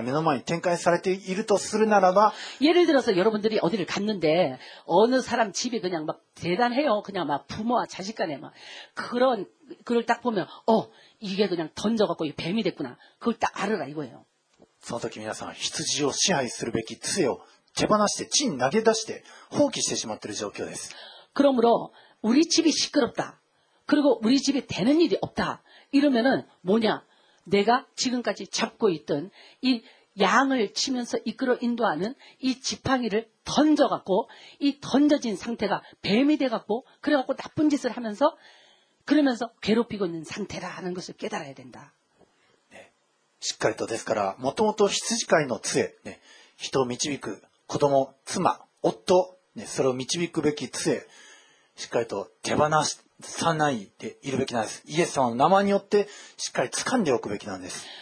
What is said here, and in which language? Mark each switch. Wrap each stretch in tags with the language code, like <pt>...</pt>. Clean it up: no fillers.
<ja>もう邪悪な蛇の好き放題になっているそういう状況が目の前に展開されているとするならば</ja> <ko>예를 들어서 여러분들이 어디를 갔는데 어느 사람 집이 그냥 막 대단해요. 그냥 막 부모와 자식 간에 막 그런 그걸 딱 보면 어 이게 그냥 던져갖고 이 뱀이 됐구나 그걸 딱 알아라 이거예요.</ko> <ja>その時皆さん羊を支配するべき杖を手放して地に投げ出して放棄してしまっている状況です。</ja> <ko>그러므로 우리 집이 시끄럽다 그리고 우리 집에 되는 일이 없다. 이러면은 뭐냐? 내가 지금까지 잡고 있던 이 양을 치면서 이끌어 인도하는 이 지팡이를 던져갖고 이 던져진 상태가 뱀이 돼갖고 그래갖고 나쁜 짓을 하면서 그러면서 괴롭히고 있는 상태라는 것을 깨달아야 된다. 네.</ko> <ja>しっかりとですから、もともと羊飼いの杖、ね、人を導く子供、妻、夫、ね、それを導くべき杖、しっかりと手放さないでいるべきなんです。イエス様の名前によってしっかり掴んでおくべきなんです。</ja>